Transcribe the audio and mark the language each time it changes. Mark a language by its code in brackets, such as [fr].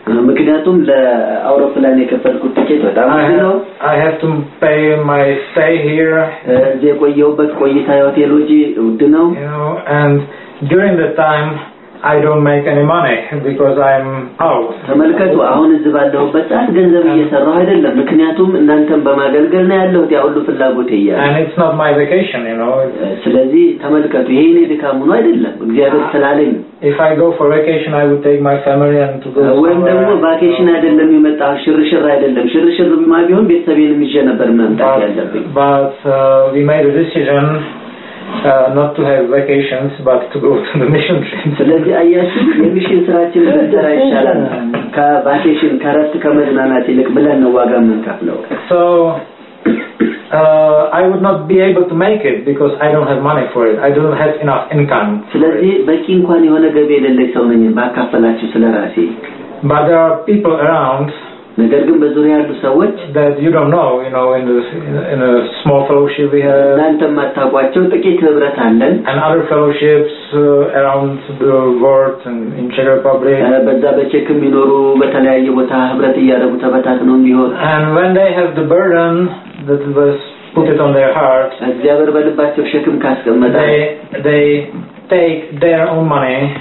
[am] ምክንያቱም ለአውሮፕላን የከፈልኩት ቲኬት በጣም ነው። [en] I have to pay my stay here. [am] እዚህ ቆየሁበት ቆይታ ሆቴሎጂ ውድ ነው። [en] And during the time I don't make any money because I'm out. [am] ተመልከቱ አሁን ዝባለው በጣም ገንዘብ እየሰራ አይደለም ምክንያቱም እናንተም በማገልገል ነው ያለሁት ያው ሁሉ ፍላጎት ይያ [en] And it's not my vacation you know [am] ስለዚህ ተመልከቱ ይሄ ነው ድካሙ ነው አይደለም እግዚአብሔር ስላለኝ [en] If I go for vacation I would take my family and to go When [am] ደግሞ vacation አይደለም ይመጣ ሽርሽር አይደለም ሽርሽር ማቢሆን ቤተሰቤንም ይዤ ነበር መምጣት ያለብኝ [en] But we made a decision not to have vacations but to go to the mission trip [am] ስለዚህ አያችሁ የሚሽን ስራችን ብቻ ይሻላል ከቫኬሽን ከረፍት ከመዝናናት ይልቅ ብለን ነው ዋጋ መንከፍለው [en] So I would not be able to make it because I don't have money for it I don't have enough income [am] ስለዚህ በቂ እንኳን የሆነ ገቢ የሌለኝ ሰው ነኝ ማካፈላችሁ ስለራሴ [en] But there are people around [am] ነገር ግን በዙሪያ ያሉ ሰዎች [en] that you don't know you know in this in a small fellowship we have [am] እናንተም አታውቋቸው ጥቂት ህብረት አለን [en] and other fellowships around the world and in Czech Republic [am] በዛ በቼክ የሚኖሩ በተለያየ ቦታ ህብረት እያደረጉ ተበታትነው ቢሆን [en] and when they have the burden that was put it on their heart [am] እግዚአብሔር በልባቸው ሸክም ካስቀመጠ [en] they take their own money